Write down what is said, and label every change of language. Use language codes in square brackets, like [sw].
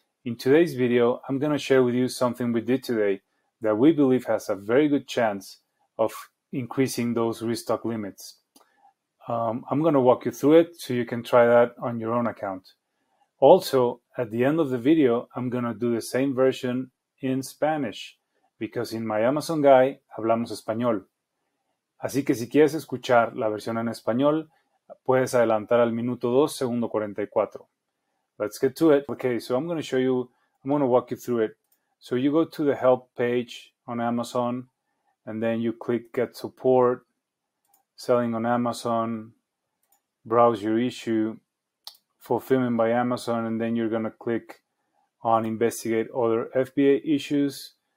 [en] In today's video, I'm going to share with you something we did today that we believe has a very good chance of increasing those restock limits. I'm going to walk you through it so you can try that on your own account. Also, at the end of the video, I'm going to do the same version in Spanish because in My Amazon Guy, [es] hablamos español. Así que si quieres escuchar la versión en español, puedes adelantar al minuto 2, segundo 44. [en] Let's get to it. Okay, so I'm going to walk you through it. So you go to the help page on Amazon, and then you click get support, selling on Amazon, browse your issue, fulfillment by Amazon, and then you're going to click on investigate other FBA issues.